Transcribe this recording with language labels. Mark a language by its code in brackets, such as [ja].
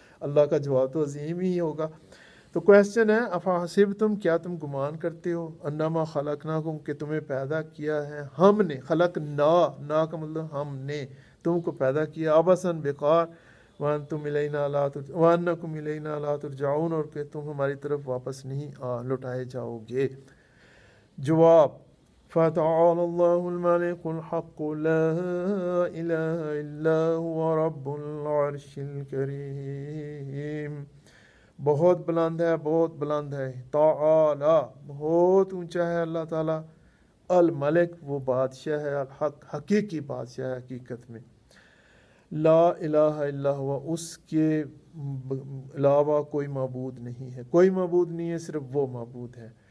[ur] اللہ کا جواب تو عظیم ہی ہوگا. تو کوسچن ہے, افحسبتم کیا تم گمان کرتے ہو, انما خلقناکم کہ تمہیں پیدا کیا ہے ہم نے, خلقنا نا کا مطلب ہم نے تم کو پیدا کیا, عبثاً بیکار, [ar] وانکم الینا لا ترجعون, [ur] اور کہ تم ہماری طرف واپس نہیں لٹائے جاؤ گے. [ar] جواب, فتعالى الله الملك الحق لا إله إلا هو رب العرش الكريم. [ur] بہت بلند ہے, بہت بلند ہے, تعالی بہت اونچا ہے اللہ تعالیٰ, الملک وہ بادشاہ ہے, الحق حقیقی بادشاہ ہے حقیقت میں, [ar] لا إله إلا هو [ur] اس کے علاوہ کوئی معبود نہیں ہے, کوئی معبود نہیں ہے, صرف وہ معبود ہے.